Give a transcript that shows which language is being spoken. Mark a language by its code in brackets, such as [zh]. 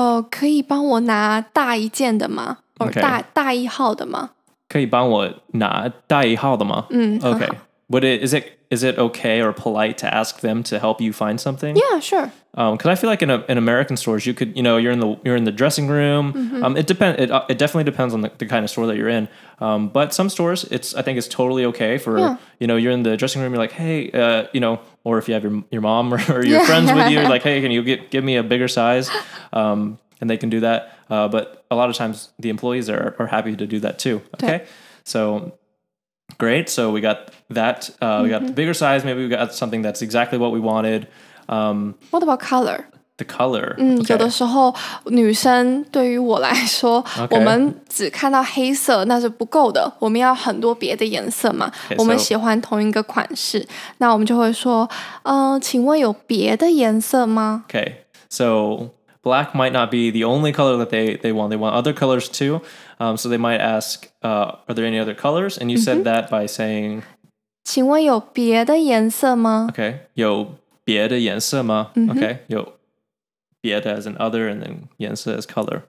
[zh] 可以帮我拿大一件的吗? Okay. 大一号的吗? 可以帮我拿大一号的吗? [en] Okay. But is it okay or polite to ask them to help you find something? Yeah, sure. Because I feel like in American stores, you could, you know, you're in the dressing room. Mm-hmm. It definitely depends on the kind of store that you're in. But some stores, I think it's totally okay for, yeah, you know, you're in the dressing room, you're like, hey, you know, or if you have your mom or your yeah, friends with you, you're like, hey, can you give me a bigger size? And they can do that. But a lot of times the employees are happy to do that too. Okay. So great. So we got that. Mm-hmm. We got the bigger size. Maybe we got something that's exactly what we wanted. What about color? The color. [zh] 有的时候女生对于我来说, [en] okay, [zh] 我们只看到黑色, 那是不够的, 我们要很多别的颜色嘛, [en] okay, [zh] 我们喜欢同一个款式, 那我们就会说, 请问有别的颜色吗? [en] Okay, so black might not be the only color that they want. They want other colors too. So they might ask, are there any other colors? And you said mm-hmm. that by saying, [zh] 请问有别的颜色吗? Okay, 有别的颜色吗? Mm-hmm. [en] Okay, 有别的 as an other, and then 颜色 as color.